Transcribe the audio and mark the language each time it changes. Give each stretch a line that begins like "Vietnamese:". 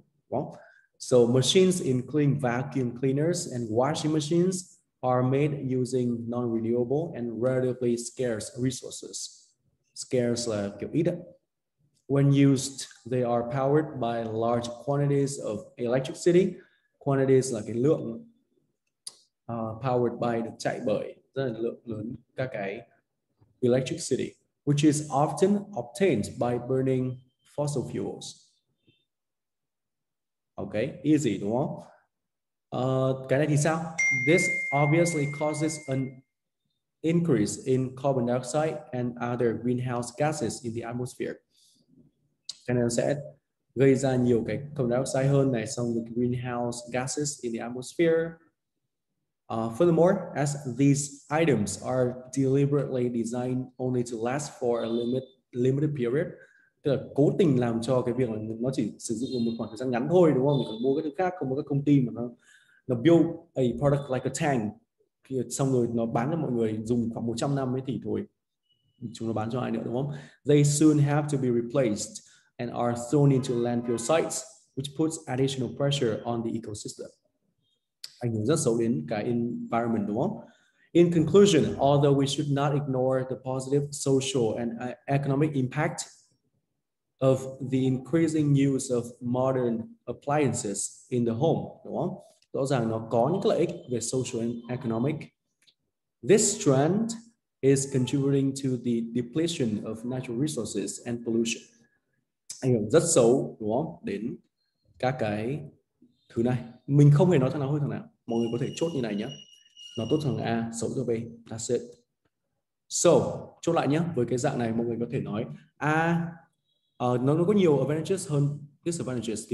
English: Well, so machines including vacuum cleaners and washing machines are made using non-renewable and relatively scarce resources. Scarce
Vietnamese: là kiểu ít.
English: When used, they are powered by large quantities of electricity.
Vietnamese: Quantities là cái lượng
English: powered by,
Vietnamese: được chạy bởi rất là lượng lớn các cái electricity,
English: which is often obtained by burning fossil fuels.
Vietnamese: Okay, easy, đúng không? Cái này thì sao?
English: This obviously causes an increase in carbon dioxide and other greenhouse gases in the atmosphere.
Vietnamese: Cái này sẽ gây ra nhiều cái carbon dioxide hơn này, xong rồi
English: greenhouse gases in the atmosphere. Furthermore, as these items are deliberately designed only to last for a limited period,
Vietnamese: tức là cố tình làm cho cái việc là nó chỉ sử dụng một khoảng thời gian ngắn thôi, đúng không? Mình còn mua cái thứ khác, không có các công ty mà nó
English: build a product like a tank,
Vietnamese: xong rồi nó bán cho mọi người dùng khoảng 100 năm ấy thì thôi, chúng nó bán cho ai nữa, đúng không?
English: They soon have to be replaced and are thrown into landfill sites, which puts additional pressure on the ecosystem.
Vietnamese: Ảnh hưởng rất xấu đến cái environment, đúng không?
English: In conclusion, although we should not ignore the positive social and economic impact of the increasing use of modern appliances in the home,
Vietnamese: đúng không? Rõ ràng nó có những cái lợi ích về
English: social and economic. This trend is contributing to the depletion of natural resources and pollution.
Vietnamese: Ảnh hưởng rất xấu, đúng không? Đến các cái thứ này. Mình không hề nói thằng nào hơn thằng nào. Mọi người có thể chốt như này nhé. Nó tốt thằng A, xấu cho B.
English: That's it.
Vietnamese: So, chốt lại nhé. Với cái dạng này, mọi người có thể nói A, nó có nhiều advantages hơn disadvantages.